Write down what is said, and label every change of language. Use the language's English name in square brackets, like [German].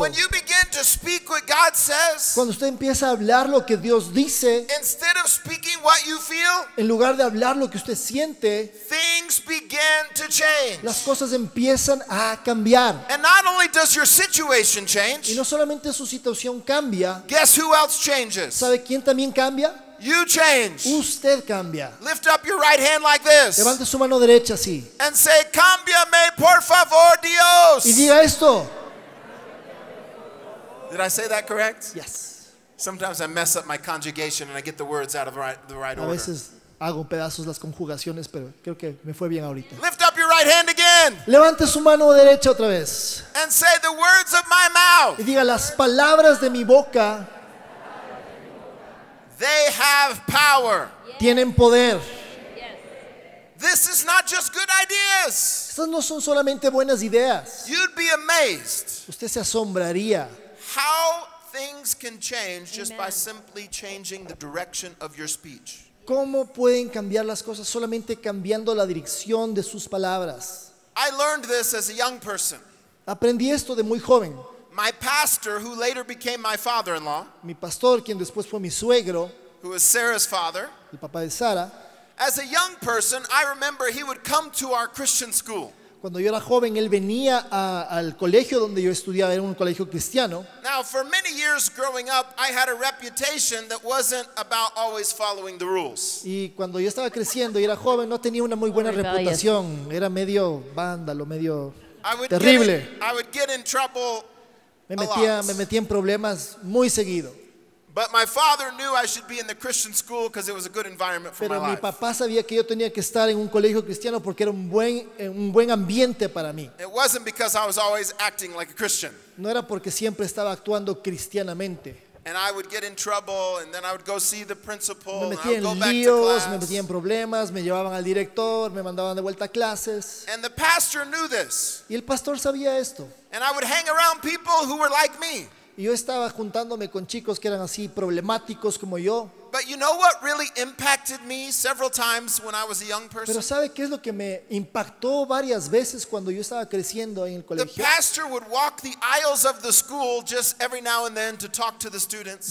[English] When you begin to speak what God says, [Spanish] cuando usted empieza a hablar lo que Dios dice, [English] instead of speaking what you feel, [Spanish] en lugar de hablar lo que usted siente, [English] things begin to change. [Spanish] Las cosas empiezan a cambiar. [English] And not only does your situation change, [Spanish] y no solamente su situación cambia, [English] guess who else changes? [Spanish] ¿Sabe quién también cambia? [English] You change. [Spanish] Usted cambia. [English] Lift up your right hand like this. [Spanish] Levante su mano derecha así. [English] And say, [Spanish] cámbiame, por favor, Dios. Y diga esto. [English] Did I say that correct? Yes. Sometimes I mess up my conjugation and I get the words out of the right order. [Spanish] A veces hago pedazos las conjugaciones, pero creo que me fue bien ahorita. [English] Lift up your right hand again. [Spanish] Levante su mano derecha otra vez. [English] And say the words of my mouth. [Spanish] Y diga las palabras de mi boca. [English] They have power. [Spanish] Tienen poder. [English] This is not just good ideas. [Spanish] Estas no son solamente buenas ideas. [English] You'd be amazed. [Spanish] Usted se asombraría. [English] How things can change just by simply changing the direction of your speech. [Spanish] ¿Cómo pueden cambiar las cosas solamente cambiando la dirección de sus palabras? [English] I learned this as a young person. [Spanish] Aprendí esto de muy joven. [English] My pastor, who later became my father-in-law, [Spanish] mi pastor, quien después fue mi suegro, [English] who was Sarah's father, [Spanish] el papá de Sara, [English] as a young person, I remember he would come to our Christian school. [Spanish] Cuando yo era joven, él venía al colegio donde yo estudiaba, era un colegio cristiano. [English] Now, for many years growing up, I had a reputation that wasn't about always following the rules. [Spanish] Y cuando yo estaba creciendo y era joven, no tenía una muy buena reputación. Era medio vándalo, medio terrible. [English] I would get in trouble. [Spanish] Me metía en problemas muy seguido. [English] But my father knew I should be in the Christian school because it was a good environment for [Spanish] Pero [English] my life. [Spanish] Pero mi papá sabía que yo tenía que estar en un colegio cristiano porque era un buen ambiente para mí. [English] It wasn't because I was always acting like a Christian. [Spanish] No era porque siempre estaba actuando cristianamente. [English] And I would get in trouble and then I would go see the principal. [Spanish] Me metía en líos, [English] back to class. [Spanish] Me metía en problemas, me llevaban al director, me mandaban de vuelta a clases. [English] And the pastor knew this. [Spanish] Y el pastor sabía esto. [English] And I would hang around people who were like me. [Spanish] Y yo estaba juntándome con chicos que eran así problemáticos como yo. [English] But you know what really impacted me several times when I was a young person? [Spanish] Pero ¿sabe qué es lo que me impactó varias veces cuando yo estaba creciendo en el colegio? [English] The pastor would walk the aisles of the school just every now and then to talk to the students.